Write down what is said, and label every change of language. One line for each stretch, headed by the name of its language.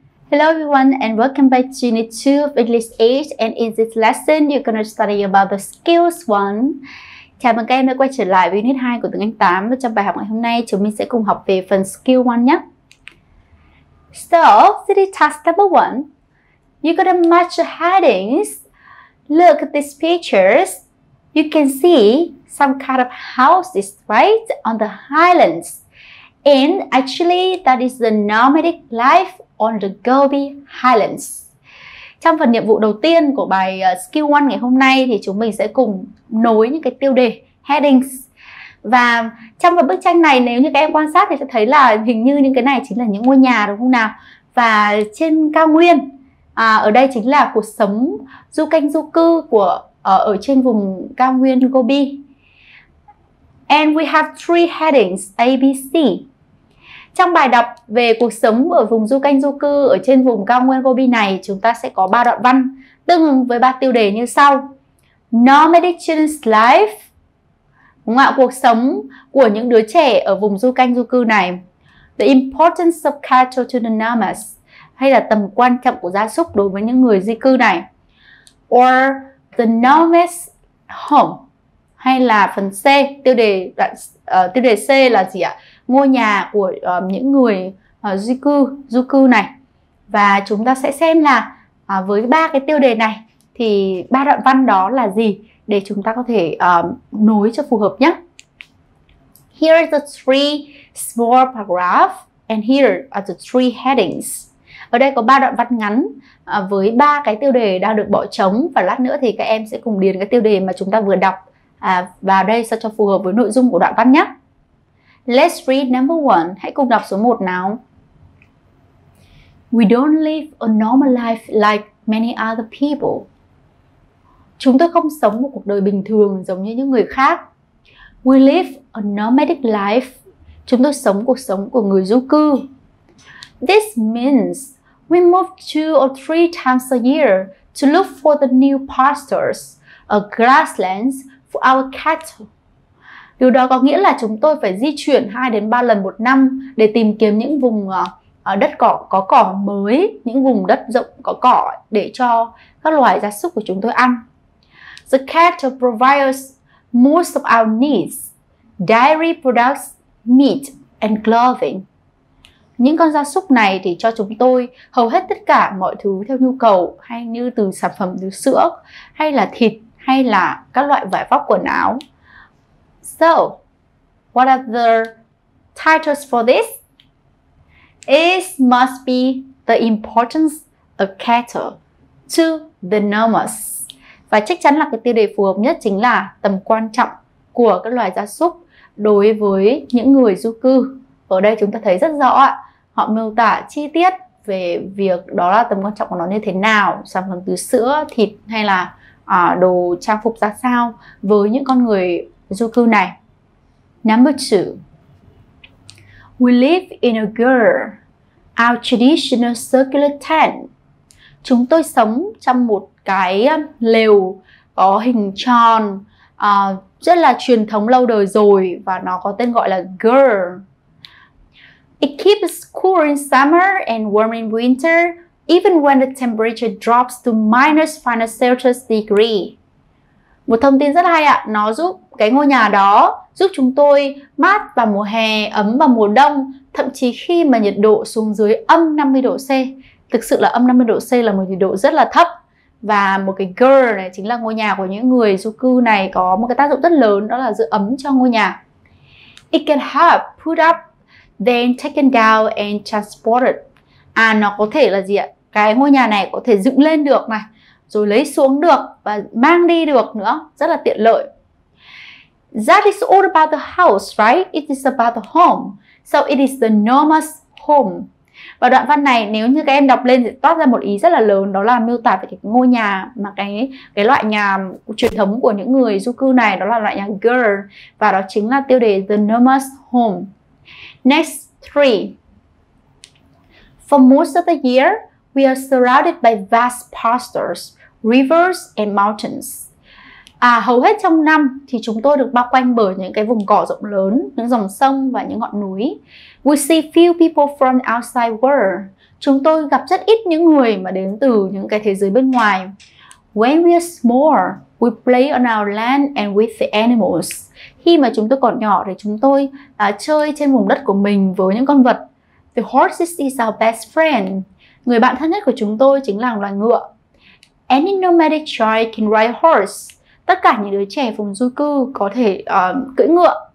English: Hello everyone and welcome back to Unit 2 of English 8, and in this lesson you're going to study about the skills 1.
Vietnamese: Chào mừng các em đã quay trở lại với Unit 2 của tiếng Anh 8, và trong bài học ngày hôm nay chúng mình sẽ cùng học về phần skill 1 nhé.
English: So, this is task number 1. You're going to match the headings. Look at these pictures. You can see some kind of houses, right, on the highlands. And actually, that is the nomadic life on the Gobi Highlands.
Vietnamese: Trong phần nhiệm vụ đầu tiên của bài Skill 1 ngày hôm nay thì chúng mình sẽ cùng nối những cái tiêu đề, headings. Và trong phần bức tranh này, nếu như các em quan sát thì sẽ thấy là hình như những cái này chính là những ngôi nhà, đúng không nào? Và trên cao nguyên, ở đây chính là cuộc sống du canh du cư của ở trên vùng cao nguyên Gobi.
English: And we have three headings, A, B, C.
Vietnamese: Trong bài đọc về cuộc sống ở vùng du canh du cư ở trên vùng cao nguyên Gobi này, chúng ta sẽ có 3 đoạn văn tương ứng với 3 tiêu đề như sau.
English: Nomadic children's life,
Vietnamese: đúng không ạ? Cuộc sống của những đứa trẻ ở vùng du canh du cư này.
English: The importance of cattle to the nomads,
Vietnamese: hay là tầm quan trọng của gia súc đối với những người di cư này.
English: Or the nomad's home,
Vietnamese: hay là phần C, tiêu đề C là gì ạ? Ngôi nhà của những người du cư này. Và chúng ta sẽ xem là với ba cái tiêu đề này thì ba đoạn văn đó là gì, để chúng ta có thể nối cho phù hợp nhé.
English: Here are the three small paragraphs and here are the three headings.
Vietnamese: Ở đây có ba đoạn văn ngắn với ba cái tiêu đề đang được bỏ trống, và lát nữa thì các em sẽ cùng điền cái tiêu đề mà chúng ta vừa đọc vào đây sao cho phù hợp với nội dung của đoạn văn nhé.
English: Let's read number 1.
Vietnamese: Hãy cùng đọc số 1 nào.
English: We don't live a normal life like many other people.
Vietnamese: Chúng tôi không sống một cuộc đời bình thường giống như những người khác.
English: We live a nomadic life.
Vietnamese: Chúng tôi sống cuộc sống của người du cư.
English: This means we move 2 or 3 times a year to look for the new pastures, a grasslands for our cattle.
Vietnamese: Điều đó có nghĩa là chúng tôi phải di chuyển 2 đến 3 lần một năm để tìm kiếm những vùng đất cỏ có cỏ mới, những vùng đất rộng có cỏ để cho các loài gia súc của chúng tôi ăn.
English: The cattle provide us most of our needs, dairy products, meat and clothing.
Vietnamese: Những con gia súc này thì cho chúng tôi hầu hết tất cả mọi thứ theo nhu cầu, hay như từ sản phẩm từ sữa, hay là thịt, hay là các loại vải vóc quần áo.
English: So, what are the titles for this? It must be the importance of cattle to the nomads.
Vietnamese: Và chắc chắn là cái tiêu đề phù hợp nhất chính là tầm quan trọng của các loài gia súc đối với những người du cư. Ở đây chúng ta thấy rất rõ, họ miêu tả chi tiết về việc đó là tầm quan trọng của nó như thế nào, sản phẩm từ sữa, thịt hay là đồ trang phục ra sao với những con người du cư này.
English: Number 2. We live in a gur, our traditional circular tent.
Vietnamese: Chúng tôi sống trong một cái lều có hình tròn rất là truyền thống lâu đời rồi, và nó có tên gọi là gur.
English: It keeps cool in summer and warm in winter, even when the temperature drops to -5 Celsius degree.
Vietnamese: Một thông tin rất hay ạ, nó giúp cái ngôi nhà đó giúp chúng tôi mát vào mùa hè, ấm vào mùa đông, thậm chí khi mà nhiệt độ xuống dưới -50°C. Thực sự là -50°C là một nhiệt độ rất là thấp. Và một cái girl này chính là ngôi nhà của những người du cư này, có một cái tác dụng rất lớn, đó là giữ ấm cho ngôi nhà.
English: It can help put up, then taken down and transported.
Vietnamese: À, nó có thể là gì ạ? Cái ngôi nhà này có thể dựng lên được này, rồi lấy xuống được và mang đi được nữa, rất là tiện lợi.
English: That is all about the house, right? It is about the home. So it is the nomad's home.
Vietnamese: Và đoạn văn này nếu như các em đọc lên thì toát ra một ý rất là lớn, đó là miêu tả về cái ngôi nhà, mà cái loại nhà truyền thống của những người du cư này, đó là loại nhà gur, và đó chính là tiêu đề
English: The Nomad's Home. Next 3. For most of the year, we are surrounded by vast pastures, rivers and mountains.
Vietnamese: À, hầu hết trong năm thì chúng tôi được bao quanh bởi những cái vùng cỏ rộng lớn, những dòng sông và những ngọn núi.
English: We see few people from outside world.
Vietnamese: Chúng tôi gặp rất ít những người mà đến từ những cái thế giới bên ngoài.
English: When we are small, we play on our land and with the animals.
Vietnamese: Khi mà chúng tôi còn nhỏ thì chúng tôi chơi trên vùng đất của mình với những con vật.
English: The horses is our best friend.
Vietnamese: Người bạn thân nhất của chúng tôi chính là loài ngựa.
English: Any nomadic child can ride a horse.
Vietnamese: Tất cả những đứa trẻ vùng du cư có thể cưỡi ngựa.